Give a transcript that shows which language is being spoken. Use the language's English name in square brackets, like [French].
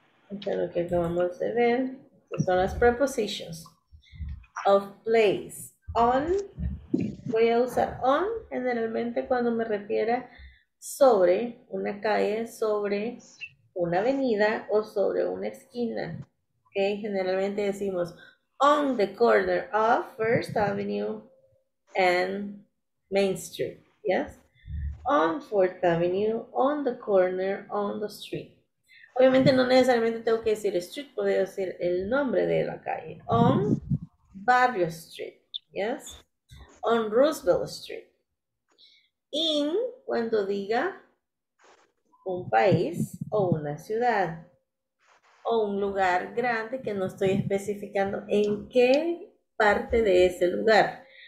[Spanish] Esto es lo que acabamos de ver, que son las prepositions. Of place. On, voy a usar on generalmente cuando me refiera sobre una calle, sobre una avenida o sobre una esquina, que ¿okay? Generalmente decimos [English] on the corner of First Avenue and Main Street, yes, on Fourth Avenue, on the corner, on the street. [Spanish] Obviamente no necesariamente tengo que decir street, puedo decir el nombre de la calle, [English] on Barrio Street, yes, on Roosevelt Street, [Spanish] in cuando diga un país o una ciudad o un lugar grande que no estoy especificando en qué parte de ese lugar.